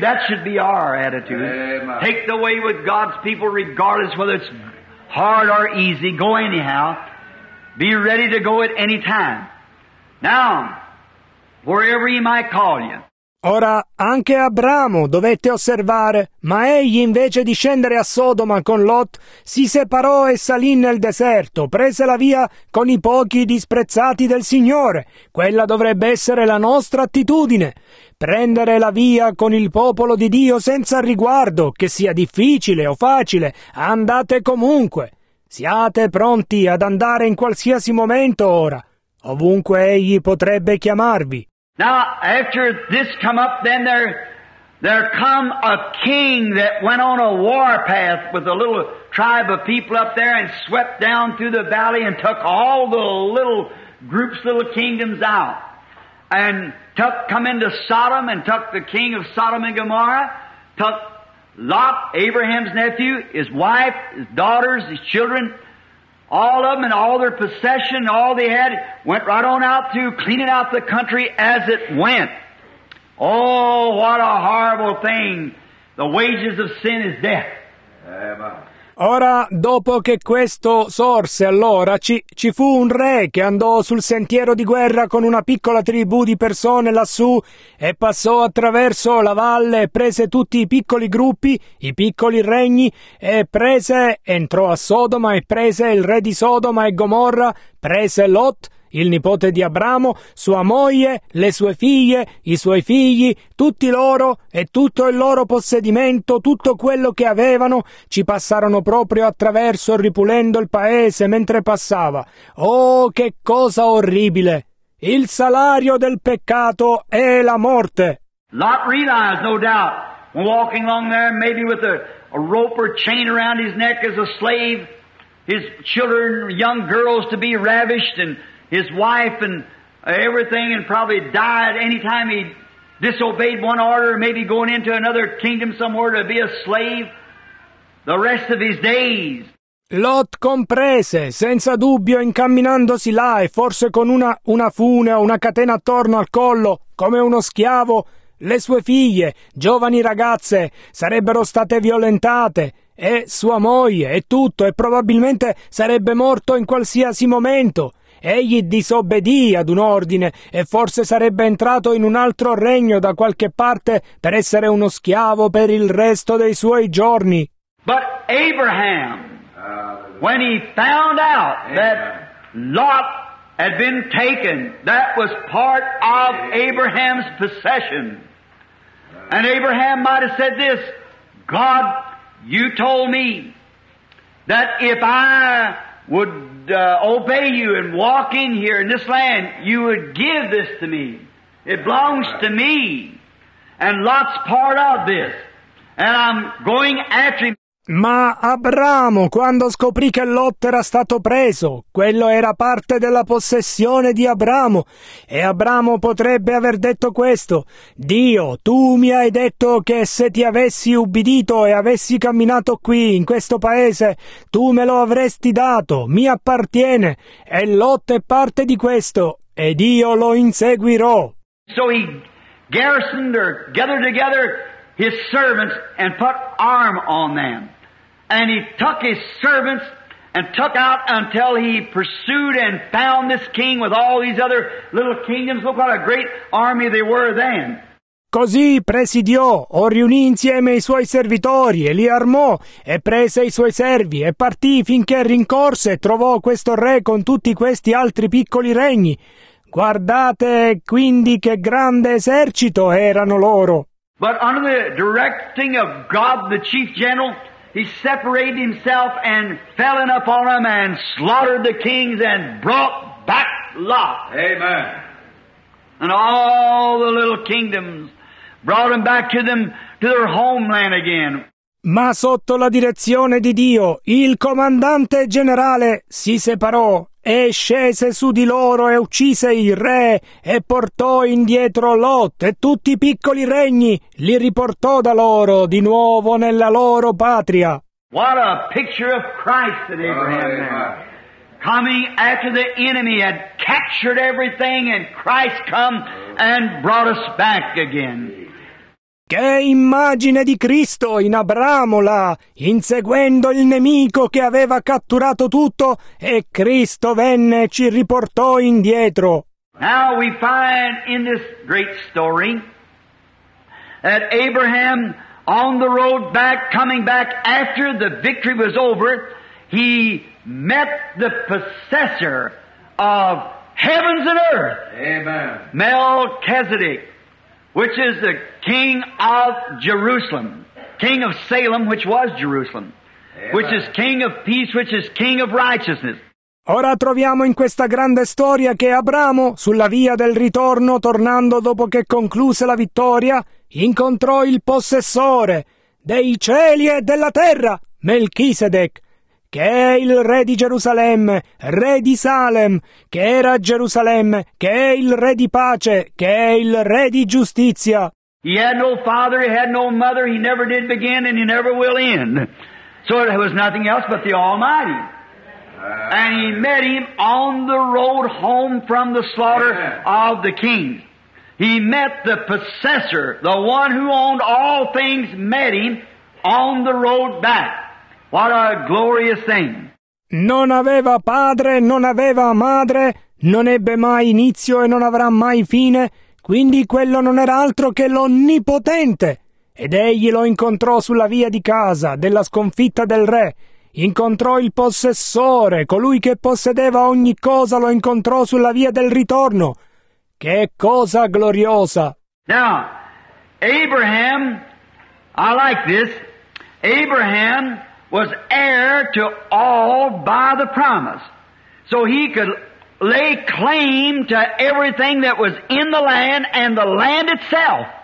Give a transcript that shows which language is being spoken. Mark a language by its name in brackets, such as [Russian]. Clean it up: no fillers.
[English] That should be our attitude. Amen. Take the way with God's people, regardless whether it's hard or easy. Go anyhow. Be ready to go at any time. Now, wherever he might call you. [Italian] Ora, anche Abramo dovette osservare, ma egli, invece di scendere a Sodoma con Lot, si separò e salì nel deserto, prese la via con i pochi disprezzati del Signore. Quella dovrebbe essere la nostra attitudine. Prendere la via con il popolo di Dio senza riguardo, che sia difficile o facile, andate comunque. Siate pronti ad andare in qualsiasi momento ora, ovunque egli potrebbe chiamarvi. [English] Now, after this come up, then there come a king that went on a war path with a little tribe of people up there and swept down through the valley and took all the little groups, little kingdoms out. And come into Sodom and took the king of Sodom and Gomorrah, took Lot, Abraham's nephew, his wife, his daughters, his children, all of them and all their possession, all they had, went right on out to cleaning out the country as it went. Oh, what a horrible thing. The wages of sin is death. [Italian] Ora, dopo che questo sorse, allora ci fu un re che andò sul sentiero di guerra con una piccola tribù di persone lassù e passò attraverso la valle e prese tutti i piccoli gruppi, i piccoli regni e entrò a Sodoma e prese il re di Sodoma e Gomorra, prese Lot il nipote di Abramo, sua moglie, le sue figlie, i suoi figli, tutti loro e tutto il loro possedimento, tutto quello che avevano, ci passarono proprio attraverso ripulendo il paese mentre passava. Oh, che cosa orribile! Il salario del peccato è la morte! [English] Lot realized, no doubt, walking along there, maybe with a rope or chain around his neck as a slave, his children, young girls to be ravished, and his wife and everything, and probably died any time he disobeyed one order, maybe going into another kingdom somewhere to be a slave the rest of his days. [Italian] Lot comprese, senza dubbio, incamminandosi là e forse con una fune o una catena attorno al collo, come uno schiavo, le sue figlie, giovani ragazze, sarebbero state violentate, e sua moglie, e tutto, e probabilmente sarebbe morto in qualsiasi momento. Egli disobbedì ad un ordine e forse sarebbe entrato in un altro regno da qualche parte per essere uno schiavo per il resto dei suoi giorni. [English] But Abraham, when he found out that Lot had been taken, that was part of Abraham's possession. And Abraham might have said this, God, you told me that if I would obey you and walk in here in this land, you would give this to me. It belongs to me. And Lot's part of this. And I'm going after him. [Italian] Ma Abramo, quando scoprì che Lot era stato preso, quello era parte della possessione di Abramo, e Abramo potrebbe aver detto questo: Dio, tu mi hai detto che se ti avessi ubbidito e avessi camminato qui, in questo paese, tu me lo avresti dato, mi appartiene, e Lot è parte di questo, ed io lo inseguirò. [English] So he garrisoned or gathered together his servants and put arm on them. And he took his servants and took out until he pursued and found this king with all these other little kingdoms. Look what a great army they were then. [Italian] Così presidiò o riunì insieme i suoi servitori e li armò e prese i suoi servi e partì finché rincorse e trovò questo re con tutti questi altri piccoli regni. Guardate quindi che grande esercito erano loro. [English] But under the directing of God, the chief general, he separated himself and fell in upon him and slaughtered the kings and brought back Lot. Amen. And all the little kingdoms brought them back to them to their homeland again. [Italian] Ma sotto la direzione di Dio, il comandante generale si separò e scese su di loro e uccise il re e portò indietro Lot e tutti i piccoli regni, li riportò da loro di nuovo nella loro patria. [English] What a picture of Christ that Abraham had. Coming after the enemy had captured everything and Christ come and brought us back again. [Italian] Che immagine di Cristo in Abramo là, inseguendo il nemico che aveva catturato tutto, e Cristo venne e ci riportò indietro. [English] Now we find in this great story that Abraham, on the road back, coming back after the victory was over, he met the possessor of heavens and earth. Amen. Melchizedek, which is the king of Jerusalem, king of Salem, which was Jerusalem. Amen. Which is king of peace, which is king of righteousness. [Italian] Ora troviamo in questa grande storia che Abramo, sulla via del ritorno, tornando dopo che concluse la vittoria, incontrò il possessore dei cieli e della terra, Melchisedec, che è il re di Gerusalemme, re di Salem, che era Gerusalemme, che è il re di pace, che è il re di giustizia. [English] He had no father, he had no mother, he never did begin and he never will end. So it was nothing else but the Almighty. And he met him on the road home from the slaughter of the king. He met the possessor, the one who owned all things, met him on the road back. What a glorious thing. [Italian] Non aveva padre, non aveva madre, non ebbe mai inizio e non avrà mai fine, quindi quello non era altro che l'Onnipotente. Ed egli lo incontrò sulla via di casa della sconfitta del re, incontrò il possessore, colui che possedeva ogni cosa lo incontrò sulla via del ritorno. Che cosa gloriosa! [English] Now, Abraham, I like this, Abraham was heir to all by the promise. So he could lay claim to everything that was in the land and the land itself.